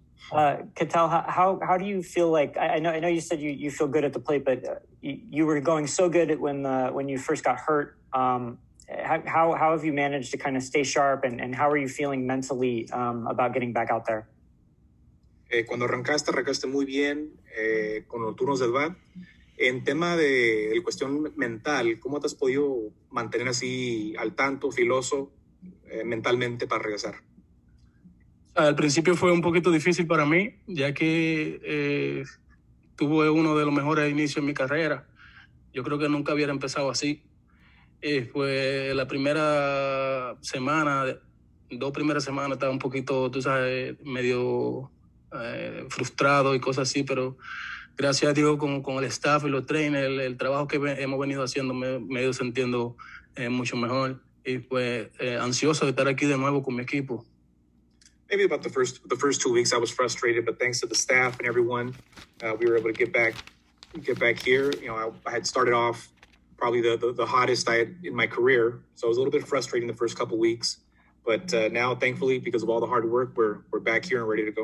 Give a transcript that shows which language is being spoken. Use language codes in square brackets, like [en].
[en] Cattell, how do you feel like I know you said you feel good at the plate, but you were going so good at when you first got hurt. How have you managed to kind of stay sharp and how are you feeling mentally about getting back out there? [es] Cuando arrancaste muy bien con los turnos del bat. En tema de la cuestión mental, ¿cómo te has podido mantener así al tanto, filoso, mentalmente para regresar? Al principio fue un poquito difícil para mí, ya que tuve uno de los mejores inicios en mi carrera. Yo creo que nunca hubiera empezado así. Pues la primera semana, 2 primeras semanas, estaba un poquito, tú sabes, medio frustrado y cosas así, pero gracias a Dios con el staff y los trainers, el trabajo que hemos venido haciendo, me he ido sintiendo mucho mejor. Y pues ansioso de estar aquí de nuevo con mi equipo. [en] Maybe about the first 2 weeks, I was frustrated, but thanks to the staff and everyone, we were able to get back here. You know, I had started off probably the hottest I had in my career, so it was a little bit frustrating the first couple weeks. But now, thankfully, because of all the hard work, we're back here and ready to go.